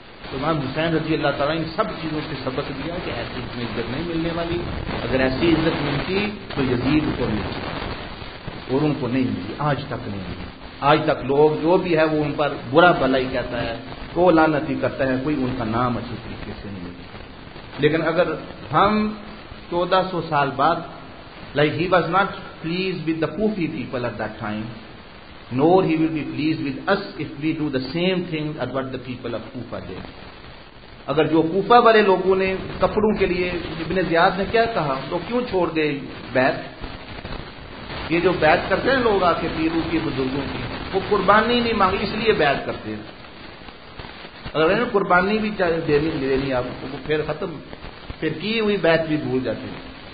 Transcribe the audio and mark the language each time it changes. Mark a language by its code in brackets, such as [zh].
[ur] تو امام حسین رضی اللہ تعالیٰ ان سب چیزوں سے سبق دیا کہ ایسی تمہیں عزت نہیں ملنے والی، اگر ایسی عزت ملتی تو یزید کو ملتی اور ان کو نہیں ملی، آج تک نہیں ملی. آج تک لوگ جو بھی ہے وہ ان پر برا بھلا ہی کہتا ہے، تو لعنت ہی کرتا ہے، کوئی ان کا نام اچھی طریقے سے نہیں ملتا. لیکن اگر ہم 1400 سال بعد، [en] Like he was not pleased with the Kufi people at that time, nor he will be pleased with us if we do the same thing at what the people of Kufa did. [ur] اگر جو کوفہ والے لوگوں نے کپڑوں کے لیے، ابن زیاد نے کیا کہا، تو کیوں چھوڑ دے بیت؟ یہ جو بیعت کرتے ہیں لوگ آ کے پیروں کی، بزرگوں کی، وہ قربانی نہیں مانگی اس لیے بیعت کرتے ہیں. اگر انہیں قربانی بھی چاہے دینی آپ کو، وہ پھر ختم، پھر کی ہوئی بیعت بھی بھول جاتے ہیں.